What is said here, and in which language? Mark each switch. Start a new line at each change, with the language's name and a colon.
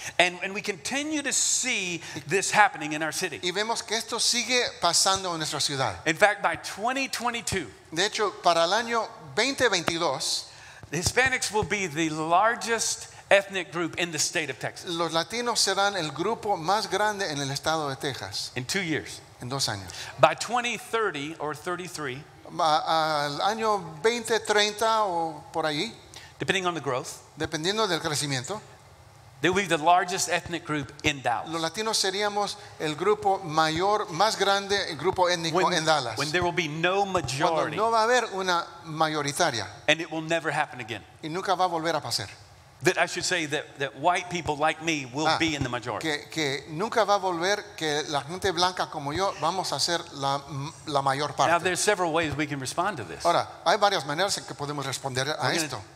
English: And we continue to see this happening in our city.
Spanish: Y vemos que esto sigue pasando en nuestra ciudad.
English: In fact, by 2022.
Spanish: De hecho, para el año 2022,
English: Hispanics will be the largest ethnic group in the state of Texas.
Spanish: Los latinos serán el grupo más grande en el estado de Texas.
English: In 2 years.
Spanish: En dos años.
English: By 2030 or 33.
Spanish: Al año 2030 o por allí.
English: Depending on the growth.
Spanish: Dependiendo del crecimiento.
English: They will be the largest ethnic group in Dallas.
Spanish: Los latinos seríamos el grupo mayor, más grande grupo étnico en Dallas.
English: When there will be no majority.
Spanish: Cuando no va a haber una mayoritaria.
English: And it will never happen again.
Spanish: Y nunca va a volver a pasar.
English: That I should say that white people like me will be in the majority.
Spanish: Que nunca va a volver que la gente blanca como yo vamos a ser la mayor parte.
English: Now there's several ways we can respond to this.
Spanish: Ahora, hay varias maneras en que podemos responder a esto.